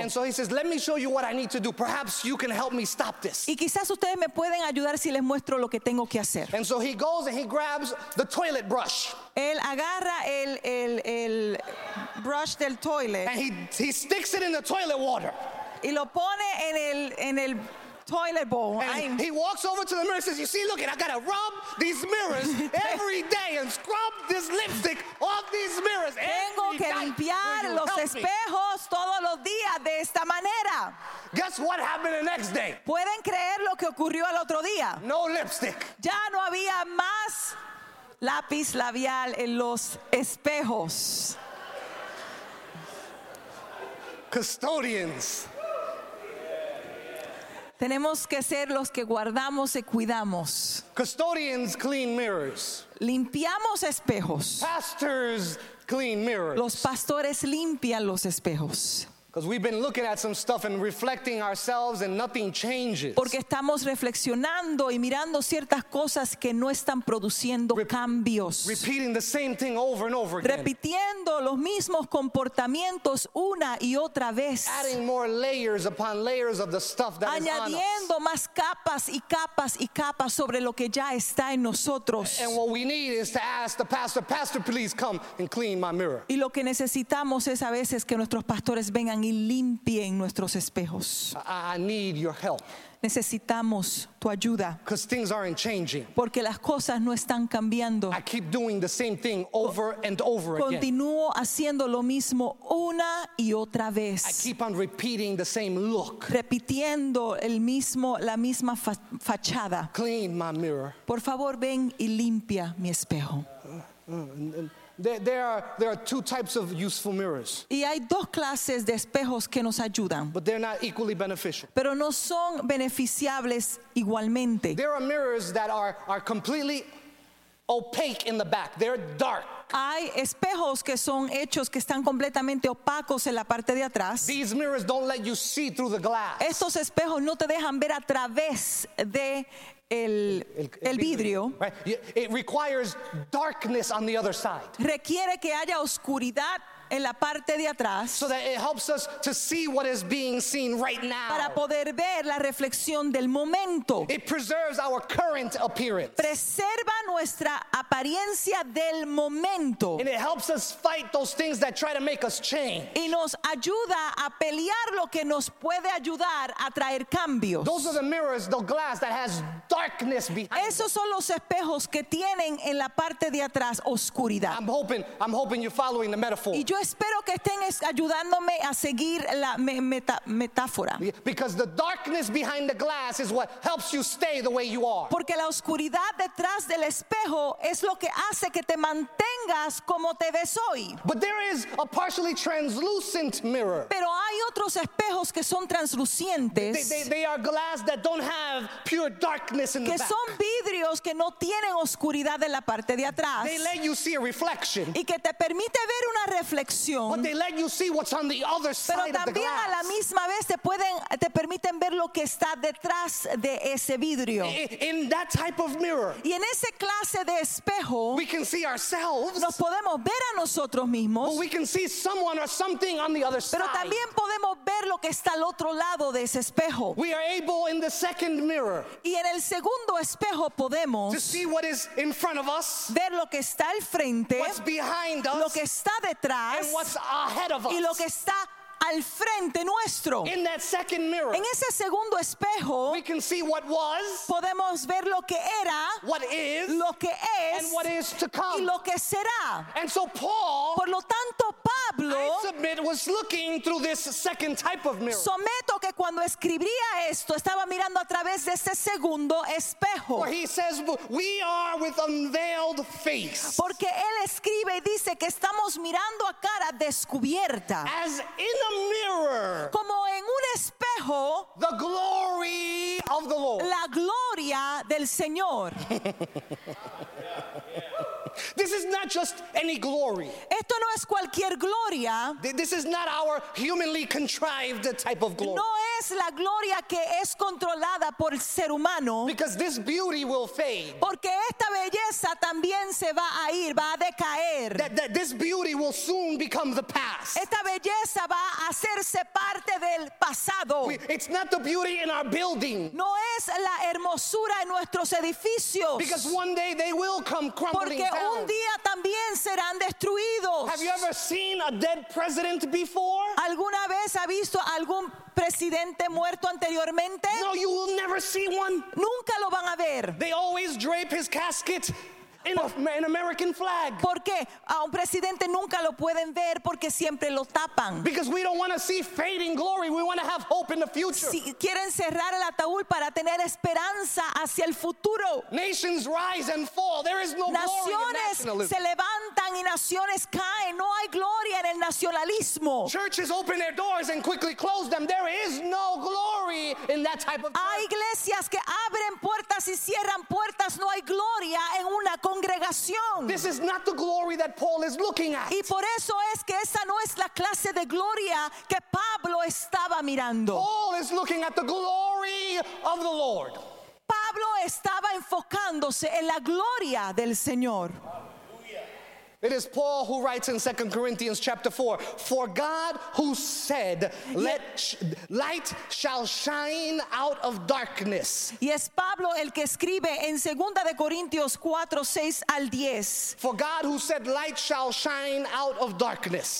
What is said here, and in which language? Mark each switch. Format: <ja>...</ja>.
<en>"And so he says, 'Let me show you what I need to do. Perhaps you can help me stop this.'"</en> <es>Y quizás ustedes me pueden ayudar si les muestro lo que tengo que hacer.</es> <en>"And so he goes and he grabs the toilet brush."</en> <es>Él agarra el brush del toilet.</es> <en>And he sticks it in the toilet water.</en> <es>Y lo pone en el toilet bowl.</es> <en>And he walks over to the mirror and says, "You see, look it, I gotta rub these mirrors every day and scrub this lipstick off these mirrors every day.</en> <es>Tengo que limpiar los espejos todos los días de esta manera."</es> <en>Guess what happened the next day?</en> <es>¿Pueden creer lo que ocurrió el otro día?</es> <en>No lipstick.</en> <es>Ya no había más lápiz labial en los espejos.</es> <en>Custodians.</en> <es>Tenemos que ser los que guardamos y cuidamos.</es> <en>Custodians clean mirrors.</en> <es>Limpiamos espejos.</es> <en>Pastors clean mirrors.</en> <es>Los pastores limpian los espejos.</es> <en>Because we've been looking at some stuff and reflecting ourselves and nothing changes.</en> <es>Porque estamos reflexionando y mirando ciertas cosas que no están produciendo cambios.</es> <en>Repeating the same thing over and over again.</en> <es>Repitiendo los mismos comportamientos una y otra vez.</es> <en>Adding more layers upon layers of the stuff that is on us.</en> <es>Añadiendo más capas y capas y capas sobre lo que ya está en nosotros.</es> <en>And what we need is to ask the pastor, "Pastor, please come and clean my mirror."</en> <es>Y lo que necesitamos es a veces que nuestros pastores vengan y limpien nuestros espejos.</es> <en>I need your help.</en> <es>Necesitamos tu ayuda.</es> <en>Because things aren't changing.</en> <es>Porque las cosas no están cambiando.</es> <en>I keep doing the same thing over and over again.</en> <es>Continúo haciendo lo mismo una y otra vez.</es> <en>I keep on repeating the same look.</en> <es>Repitiendo la misma fachada.</es> <en>Clean my mirror.</en> <es>Por favor, ven y limpia mi espejo.</es> <en>There are two types of useful mirrors.</en> <es>Y hay dos clases de espejos que nos ayudan.</es> <en>But they're not equally beneficial.</en> <es>Pero no son beneficiables igualmente.</es> <en>There are mirrors that are completely opaque in the back. They're dark.</en> <es>Hay espejos que son hechos que están completamente opacos en la parte de atrás.</es> <en>These mirrors don't let you see through the glass.</en> <es>Estos espejos no te dejan ver a través de el vidrio.</es> <en>Right? It requires darkness on the other side.</en> <es>Requiere que haya oscuridad en la parte de atrás.</es> <en>So that it helps us to see what is being seen right now.</en> <es>Para poder ver la reflexión del momento.</es> <en>It preserves our current appearance.</en> <es>Preserva nuestra apariencia del momento.</es> <en>And it helps us fight those things that try to make us change.</en> <es>Y nos ayuda a pelear lo que nos puede ayudar a traer cambios.</es> <en>Those are the mirrors, the glass that has darkness behind.</en> <es>Esos son los espejos que tienen en la parte de atrás oscuridad.</es> <en>I'm hoping you're following the metaphor.</en> <es>Yo espero que estén ayudándome a seguir la metáfora.</es> <en>Because the darkness behind the glass is what helps you stay the way you are.</en> <es>Porque la oscuridad detrás del espejo es lo que hace que te mantengas como te ves hoy.</es> <en>But there is a partially translucent mirror.</en> <es>Pero hay otros espejos que son translucientes.</es> <en>They are glass that don't have pure darkness in the back.</en> <es>Que son vidrios que no tienen oscuridad en la parte de atrás.</es> <en>They let you see a reflection.</en> <es>Y que te permite ver una reflexión.</es> <en>But they let you see what's on the other side of the glass.</en> <es>Pero también a la misma vez te permiten ver lo que está detrás de ese vidrio.</es> <en>In that type of mirror.</en> <es>Y en ese clase de espejo.</es> <en>We can see ourselves.</en> <es>Nos podemos ver a nosotros mismos.</es> <en>But we can see someone or something on the other side.</en> <es>Pero también podemos ver lo que está al otro lado de ese espejo.</es> <en>We are able in the second mirror.</en> <es>Y en el segundo espejo podemos.</es> <en>To see what is in front of us.</en> <es>Ver lo que está al frente.</es> <en>What's behind us.</en> <es>Lo que está detrás.</es> <en>And what's ahead of us.</en> <es>Y lo que está al frente nuestro.</es> <en>In that second mirror.</en> <es>En ese segundo espejo.</es> <en>We can see what was.</en> <es>Podemos ver lo que era.</es> <en>What is.</en> <es>Lo que es.</es> <en>And what is to come.</en> <es>Y lo que será.</es> <en>And so Paul.</en> <es>Por lo tanto, Pablo.</es> <en>I submit was looking through this second type of mirror.</en> <es>Someto que cuando escribía esto, estaba mirando a través de ese segundo espejo.</es> <en>For he says, "We are with unveiled face."</en> <es>Porque él escribe y dice que estamos mirando a cara descubierta.</es> <en>As in a mirror,</en> <es>como en un espejo,</es> <en>the glory of the Lord,</en> <es>la gloria del Señor.</es> <en>This is not just any glory.</en> <es>Esto no es cualquier gloria.</es> <en>This is not our humanly contrived type of glory.</en> <es>No es la gloria que es controlada por el ser humano.</es> <en>Because this beauty will fade.</en> <es>Porque esta belleza también se va a ir, va a decaer.</es> <en>That this beauty will soon become the past.</en> <es>Esta belleza va a hacerse parte del pasado.</es> <en>It's not the beauty in our building.</en> <es>No es la hermosura en nuestros edificios.</es> <en>Because one day they will come crumbling.</en> <es>Un día también serán destruidos.</es> <en>Have you ever seen a dead president before?</en> <es>¿Alguna vez ha visto algún presidente muerto anteriormente?</es> <en>No, you will never see one.</en> <es>Nunca lo van a ver.</es> <en>They always drape his casket in an American flag.</en> <es>¿Por qué? A un presidente nunca lo pueden ver porque siempre lo tapan.</es> <en>Because we don't want to see fading glory, we want to have hope in the future.</en> <es>Si quieren cerrar el ataúd para tener esperanza hacia el futuro.</es> <en>Nations rise and fall. There is no</en> <es>naciones</es> <en>glory in nationalism.</en> <es>Se levantan y naciones caen. No hay gloria en el nacionalismo.</es> <en>Churches open their doors and quickly close them. There is no glory in that type of church.</en> <es>Hay iglesias que abren puertas y cierran puertas. No hay gloria en una congregación.</es> <en>This is not the glory that Paul is looking at.</en> <es>Y por eso es que esa no es la clase de gloria que Pablo estaba mirando.</es> <en>Paul is looking at the glory of the Lord.</en> <es>Pablo estaba enfocándose en la gloria del Señor.</es> <en>It is Paul who writes in 2 Corinthians chapter 4, "For God who said, let light shall shine out of darkness."</en> <es>Y es Pablo el que escribe en 2 de Corintios 4, 6 al 10.</es> <en>"For God who said, light shall shine out of darkness."</en>